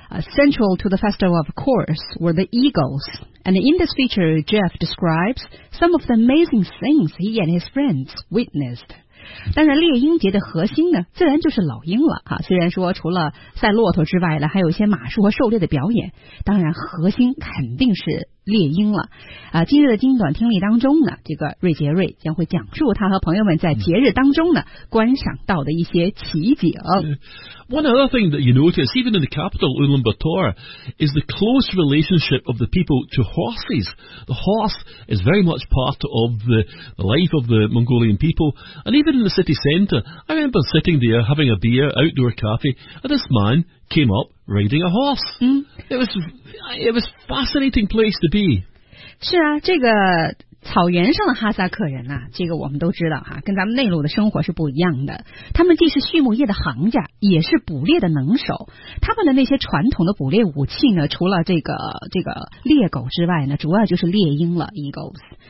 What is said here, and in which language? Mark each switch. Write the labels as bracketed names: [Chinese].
[English] Central to the festival, of course, were the eagles. And in this feature, Jeff describes some of the amazing things he and his friends witnessed. [Chinese] 当然猎鹰节的核心呢，自然就是老鹰了。虽然说除了赛骆驼之外呢，还有一些马术和狩猎的表演，当然核心肯定是猎鹰了。今日的精短听力当中呢，这个瑞杰瑞将会讲述他和朋友们在节日当中呢观赏到的一些奇景。 [English] One other thing that you notice, even in the capital, Ulaanbaatar, is the close relationship of the people to horses. The horse is very much part of the life of the Mongolian people. And even in the city centre, I remember sitting there having a beer, outdoor cafe, and this man came up riding a horse. It was a fascinating place to be. [Chinese] 是啊，这个草原上的哈萨克人啊，这个我们都知道哈，跟咱们内陆的生活是不一样的。他们既是畜牧业的行家，也是捕猎的能手。他们的那些传统的捕猎武器呢，除了这个猎狗之外呢，主要就是猎鹰了 ，eagles。